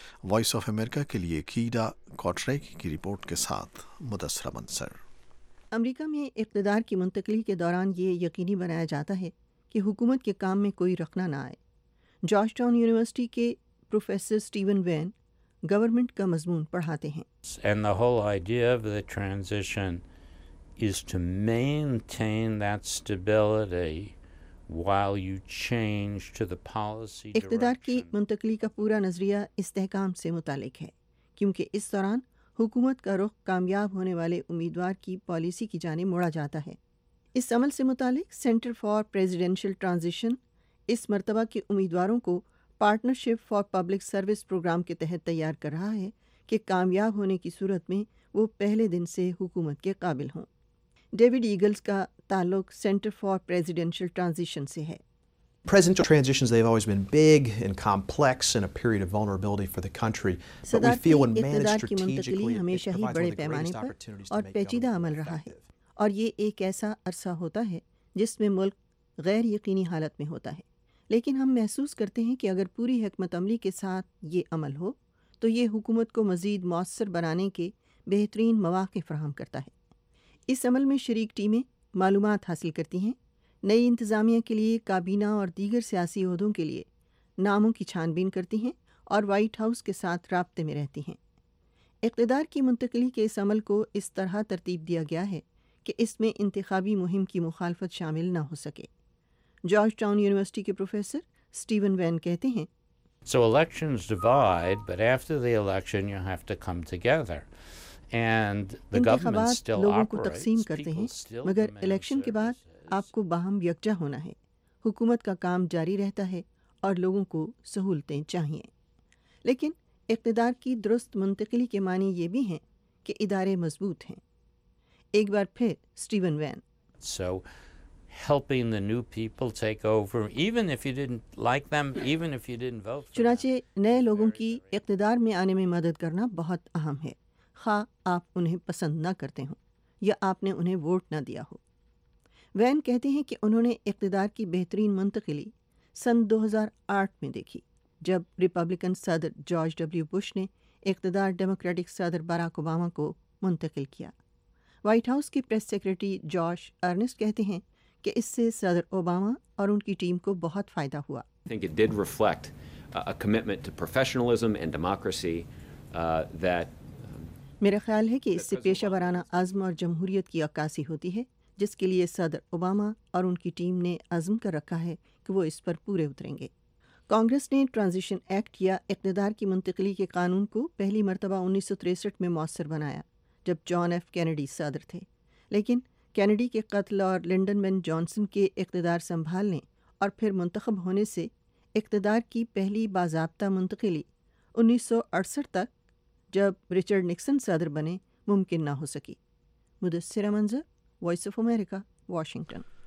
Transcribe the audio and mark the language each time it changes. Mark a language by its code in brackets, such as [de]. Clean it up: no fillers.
[ur] Voice of America کے لیے کیڈا کوٹریک کی رپورٹ کے ساتھ مدثرہ منصر. امریکہ میں اقتدار کی منتقلی کے دوران یہ یقینی بنایا جاتا ہے کہ حکومت کے کام میں کوئی رکنا نہ آئے. جارج ٹاؤن یونیورسٹی کے پروفیسر سٹیون وین گورنمنٹ کا مضمون پڑھاتے ہیں. [en] And the whole idea of the transition is to maintain that stability while you change to the policy direction. [ur] اقتدار کی منتقلی کا پورا نظریہ استحکام سے متعلق ہے، کیونکہ اس دوران حکومت کا رخ کامیاب ہونے والے امیدوار کی پالیسی کی جانب موڑا جاتا ہے. اس عمل سے متعلق سینٹر فار پریزیڈینشل ٹرانزیشن اس مرتبہ کے امیدواروں کو partnership for public service programme کے تحت تیار کر رہا ہے کہ کامیاب ہونے کی صورت میں وہ پہلے دن سے حکومت کے قابل ہوں. ڈیوڈ ایگلز کا تعلق سینٹر فار پریزیڈینشل ٹرانزیشن سے ہے. [en] Presidential transitions, they've always been big and complex and a period of vulnerability for the country. But we feel when managed strategically, [ur] ہمیشہ ہی بڑے پیمانے پر اور پیچیدہ عمل رہا ہے، اور یہ ایک ایسا عرصہ ہوتا ہے جس میں ملک غیر یقینی حالت میں ہوتا ہے. لیکن ہم محسوس کرتے ہیں کہ اگر پوری حکمت عملی کے ساتھ یہ عمل ہو تو یہ حکومت کو مزید مؤثر بنانے کے بہترین مواقع فراہم کرتا ہے۔ اس عمل میں شریک ٹیمیں معلومات حاصل کرتی ہیں، نئی انتظامیہ کے لیے کابینہ اور دیگر سیاسی عہدوں کے لیے ناموں کی چھان بین کرتی ہیں اور وائٹ ہاؤس کے ساتھ رابطے میں رہتی ہیں۔ اقتدار کی منتقلی کے اس عمل کو اس طرح ترتیب دیا گیا ہے کہ اس میں انتخابی مہم کی مخالفت شامل نہ ہو سکے۔ جارج ٹاؤن یونیورسٹی کے پروفیسر اسٹیون وین کہتے ہیں، [en] So elections divide, but after the election you have to come together. And the government still operates. [ur] لوگوں کو تقسیم کرتے ہیں، مگر الیکشن کے بعد آپ کو باہم یکجا ہونا ہے۔ حکومت کا کام جاری رہتا ہے اور لوگوں کو سہولتیں چاہیے۔ لیکن اقتدار کی درست منتقلی کے معنی یہ بھی ہیں کہ ادارے مضبوط ہیں۔ ایک بار پھر Steven when, [en] So helping the new people take over, even if you didn't like them, even if you didn't vote for them. [ur] چنانچہ نئے لوگوں کی اقتدار میں آنے میں مدد کرنا بہت اہم ہے، خواہ آپ انہیں پسند نہ کرتے ہوں یا آپ نے انہیں ووٹ نہ دیا ہو۔ وین کہتے ہیں کہ انہوں نے اقتدار کی بہترین منتقلی سن 2008 میں دیکھی، جب ریپبلکن صدر جارج ڈبلیو بش نے اقتدار ڈیموکریٹک صدر باراک اوباما کو منتقل کیا۔ وائٹ ہاؤس کی پریس سیکرٹری جارج ارنسٹ کہتے ہیں کہ اس سے صدر اوباما اور ان کی ٹیم کو بہت فائدہ ہوا۔ [en] I think it did reflect a commitment to professionalism and democracy that [ur] میرا خیال ہے کہ اس سے پیشہ ورانہ عزم اور جمہوریت کی عکاسی ہوتی ہے، جس کے لیے صدر اوباما اور ان کی ٹیم نے عزم کر رکھا ہے کہ وہ اس پر پورے اتریں گے۔ کانگریس نے ٹرانزیشن ایکٹ یا اقتدار کی منتقلی کے قانون کو پہلی مرتبہ 1963 میں مؤثر بنایا، جب جان ایف کینیڈی صدر تھے، لیکن کینیڈی کے قتل اور لنڈن من جانسن کے اقتدار سنبھالنے اور پھر منتخب ہونے سے اقتدار کی پہلی باضابطہ منتقلی 1968 تک، جب رچرڈ نکسن صدر بنے، ممکن نہ ہو سکی۔ مدثر منظر، وائس آف امریکہ، واشنگٹن۔